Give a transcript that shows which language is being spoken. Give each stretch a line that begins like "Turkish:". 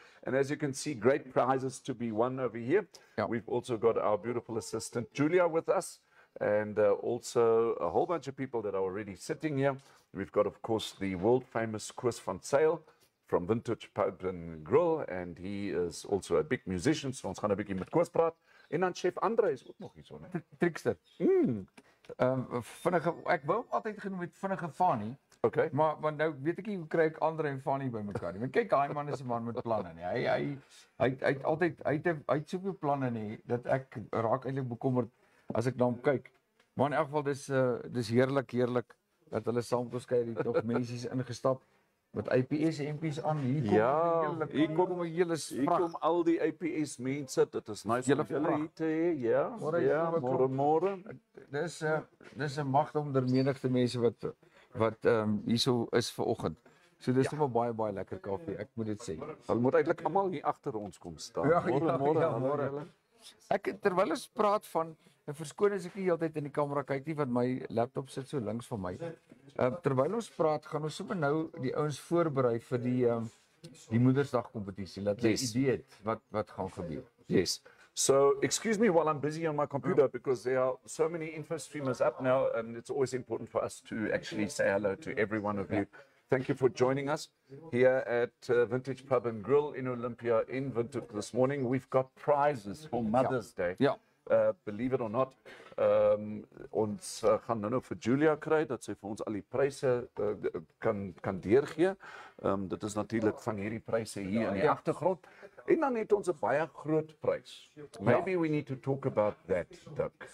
English: And as you can see, great prizes to be won over here. Yeah. We've also got our beautiful assistant Julia with us. And also a whole bunch of people that are already sitting here. We've got, of course, the world famous Koos van Sale from Vintage Pub and Grill, and he is also a big musician.
Afrikaans: So ons gaan 'n bietjie met Koos praat. En dan chef Andre is ook nog hier so, net. Trickster. Vinnige, ek wou altyd genoem het vinnige Fanny.
English: Okay.
Afrikaans: Maar nou weet ek nie hoe kry ek Andre en Fanny bymekaar nie. Want kyk, daai man is 'n man met planne nie. Hy het soveel planne nie dat ek raak eintlik bekommerd. As ek nou kyk, maar in elk geval dis heerlik dat hulle saam met ons kuier hier tog mense ingestap met IPS MP's aan hier kom. Ja, hier kom al die IPS mense. Dit is nice julle hier te hê. Ja. Ja, môre. Dis 'n magte onder menigte mense wat hierso is vir oggend. So dis nog 'n baie baie lekker koffie, ek moet dit sê. Hulle moet eintlik almal hier agter ons kom staan. Môre. Ek terwyl ons praat van en verskoon as ek nie heeltyd in die kamera kyk nie want my laptop sit so links van my. Terwyl ons praat, gaan ons sommer nou die ouens voorberei vir die Moedersdag kompetisie. Laat hulle idee het wat gaan gebeur.
English: Yes. So, excuse me while I'm busy on my computer because there are so many info streamers up now and it's always important for us to actually say hello to every one of you. Thank you for joining us here at Vintage Pub and Grill in Olympia in Windhoek this morning. We've got prizes for Mother's Day.
Afrikaans: Ja.
English: Believe it or not,
Afrikaans: ons gaan nou vir Julia kry dat sy vir ons al die pryse kan deurgee. Dit is natuurlik van hierdie pryse hier in die agtergrond. En dan het ons 'n baie groot prys.
English: Maybe we need to talk about that, Dirk.